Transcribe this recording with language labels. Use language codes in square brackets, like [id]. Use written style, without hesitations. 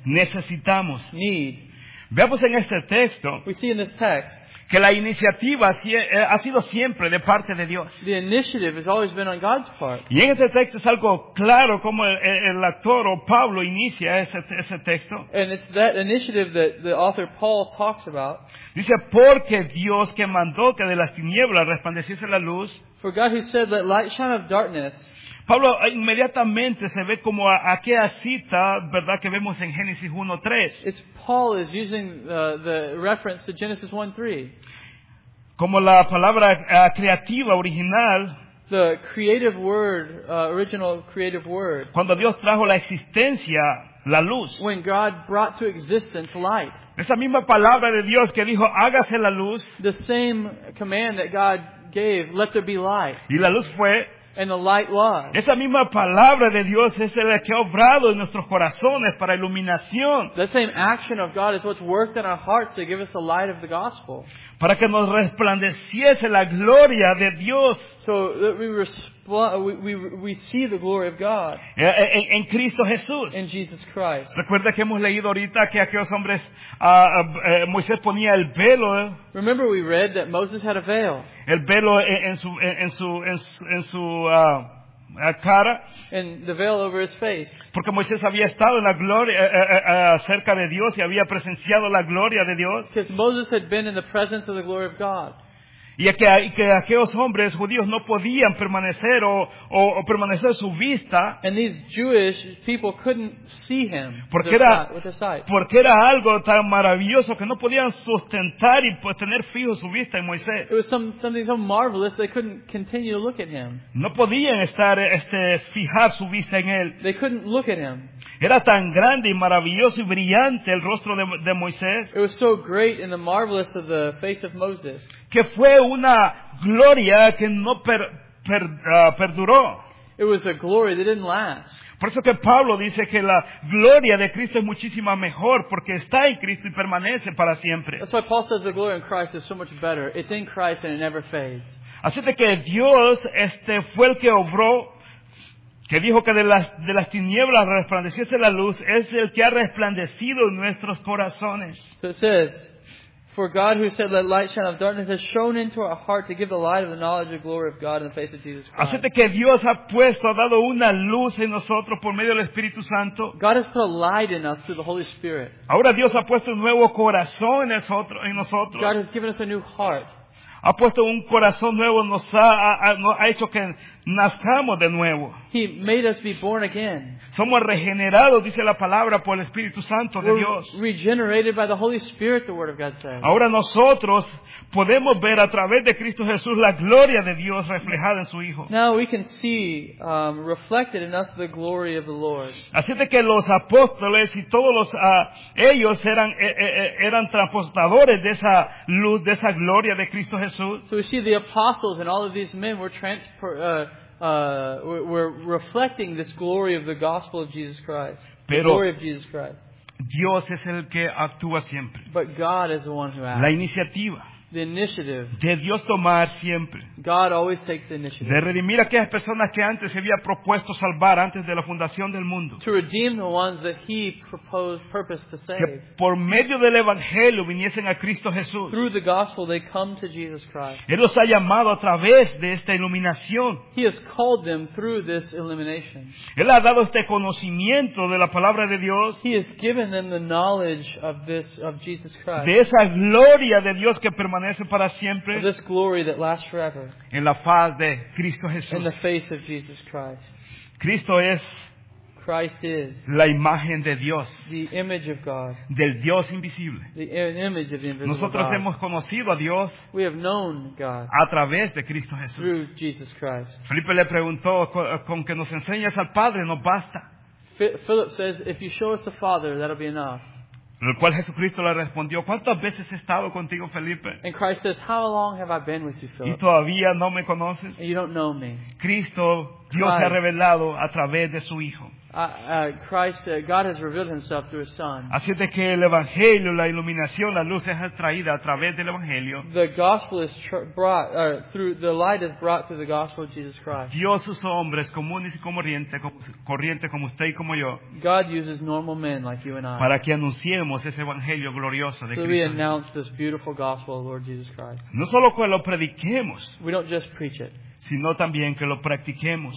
[es] necesitamos. [en] Need. [es] Veamos en este texto. [en] We see in this text. [es] Que la iniciativa ha sido siempre de parte de Dios. [en] The initiative has always been on God's part. [es] Y en este texto es algo claro como el autor o Pablo inicia ese texto. [en] And it's that initiative that the author Paul talks about. [es] Dice, porque Dios que mandó que de las tinieblas resplandeciese la luz. [en] For God who said, let light shine of darkness. [es] Pablo inmediatamente se ve como aquella cita, ¿verdad?, que vemos en Génesis 1:3. [en] It's Paul is using the reference to Genesis 1:3. [es] Como la palabra creativa original. [en] The creative word, original creative word. [es] Cuando Dios trajo la existencia, la luz. [en] When God brought to existence light. [es] Esa misma palabra de Dios que dijo, hágase la luz. [en] The same command that God gave, let there be light. [es] Y la luz fue. [en] And the light was. [es] Esa misma palabra de Dios es la que ha obrado en nuestros corazones para iluminación. [en] The same action of God is what's worked in our hearts to give us the light of the gospel. [es] Para que nos resplandeciese la gloria de Dios. [en] So that we see the glory of God. [es] En Cristo Jesús. [en] In Jesus Christ. [es] Recuerda que hemos leído ahorita que aquellos hombres, Moisés ponía el velo. [en] Remember we read that Moses had a veil. [es] El velo en su cara. [en] And the veil over his face. [es] Porque Moisés había estado en la gloria cerca de Dios y había presenciado la gloria de Dios. [en] Because Moses had been in the presence of the glory of God. [es] Y que aquellos hombres judíos no podían permanecer o permanecer su vista. [en] And these Jewish people couldn't see him with their sight. [es] Porque era algo tan maravilloso que no podían sustentar y tener fijo su vista en Moisés. [en] It was something so marvelous they couldn't continue to look at him. [es] No podían fijar su vista en él. [en] They couldn't look at him. [es] Era tan grande y maravilloso y brillante el rostro de Moisés. [en] It was so great and the marvelous of the face of Moses. [es] Que fue una gloria que no perduró. [en] It was a glory that didn't last. [es] Por eso que Pablo dice que la gloria de Cristo es muchísima mejor porque está en Cristo y permanece para siempre. [en] That's why Paul says the glory in Christ is so much better. It's in Christ and it never fades. [es] Así de que Dios fue el que obró, que dijo que de las tinieblas resplandeciese la luz, es el que ha resplandecido en nuestros corazones. [en] So it says, for God who said let light shine out of darkness has shone into our heart to give the light of the knowledge of the glory of God in the face of Jesus Christ. [es] Así de que Dios ha puesto, ha dado una luz en nosotros por medio del Espíritu Santo. [en] God has put a light in us through the Holy Spirit. [es] Ahora Dios ha puesto un nuevo corazón en nosotros. [en] God has given us a new heart. [es] Ha puesto un corazón nuevo, nos ha hecho que nazcamos de nuevo. [en] He made us be born again. [es] Somos regenerados, dice la palabra, por el Espíritu Santo de Dios. [en] We're regenerated by the Holy Spirit, the Word of God says. [es] Ahora nosotros podemos ver a través de Cristo Jesús la gloria de Dios reflejada en su Hijo. [en] Now we can see reflected in us the glory of the Lord. [es] Así de que los apóstoles y todos los ellos eran transportadores de esa luz, de esa gloria de Cristo Jesús. [en] So we see the apostles and all of these men were were reflecting this glory of the gospel of Jesus Christ. [es] Pero, [en] the glory of Jesus Christ. [es] Dios es el que actúa siempre. [en] But God is the one who acts. [es] La iniciativa. [en] The initiative. [es] De Dios tomar siempre. [en] God always takes the initiative. [es] De redimir a aquellas personas que antes se había propuesto salvar antes de la fundación del mundo. [en] To redeem the ones that he proposed, purposed to save. [es] Que por medio del evangelio viniesen a Cristo Jesús. [en] Through the gospel they come to Jesus Christ. [es] Él los ha llamado a través de esta iluminación. [en] He has called them through this illumination. [es] Él ha dado este conocimiento de la palabra de Dios. [en] He has given them the knowledge of this of Jesus Christ. [es] De esa gloria de Dios que permanece para siempre [en] this glory that lasts forever, [es] en la faz de Cristo Jesús. [en] In the face of Jesus Christ. [es] Cristo es [en] Christ is [es] la imagen de Dios, [en] the image of God, [es] del Dios invisible. [en] The image of the invisible [es] nosotros [en] God. [es] Hemos conocido a Dios [en] we have known God [es] a través de Cristo Jesús. [en] Through Jesus Christ. [es] Felipe le preguntó, con que nos enseñes al Padre, nos basta. [en] Philip says, if you show us the Father, that'll be enough. [es] El cual Jesucristo le respondió, ¿cuántas veces he estado contigo, Felipe? [en] And Christ says, how long have I been with you, Philip? [es] ¿Y todavía no me conoces? [en] And you don't know me. [es] Cristo, Dios [en] Christ, [es] se ha revelado a través de su Hijo. [en] God has revealed himself through his Son. [es] Así es de que el Evangelio, la iluminación, la luz es extraída a través del Evangelio. [en] The gospel is through the light is brought through the gospel of Jesus Christ. [es] Dios usa hombres comunes y corriente como usted y como yo. [en] God uses normal men like you and I. [es] Para que anunciemos ese Evangelio glorioso de Cristo. [en] So we announce this beautiful gospel of Lord Jesus Christ. [es] No solo que lo prediquemos. [en] We don't just preach it. [es] Sino también que lo practiquemos.